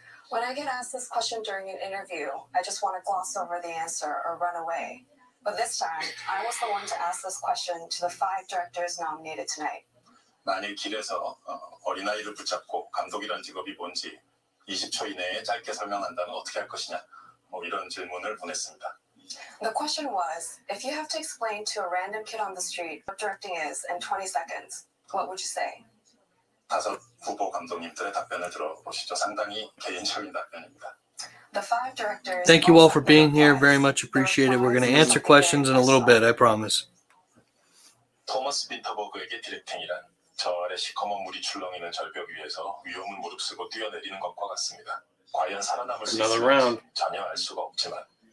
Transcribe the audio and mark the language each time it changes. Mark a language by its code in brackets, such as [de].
[en] When I get asked this question during an interview, I just want to gloss over the answer or run away. But this time, I was the one to ask this question to the 5 directors nominated tonight. [ko] 만일 길에서 어린아이를 붙잡고 감독이란 직업이 뭔지 20초 이내에 짧게 설명한다면 어떻게 할 것이냐? 뭐 이런 질문을 보냈습니다. [en] The question was, if you have to explain to a random kid on the street what directing is in 20 seconds, what would you say? [ko] 다섯 후보 감독님들의 답변을 들어보시죠. 상당히 개인적인 답변입니다. [en] The 5 directors. Thank you all for being here. Very much appreciated. We're going to answer questions in a little bit, I promise. [ko] 토마스 빈터버그에게 디렉팅이란 저의 시커먼 물이 출렁이는 절벽 위에서 위험을 무릅쓰고 뛰어내리는 것과 같습니다. 과연 살아남을 수 있을지 전혀 알 수가 없지만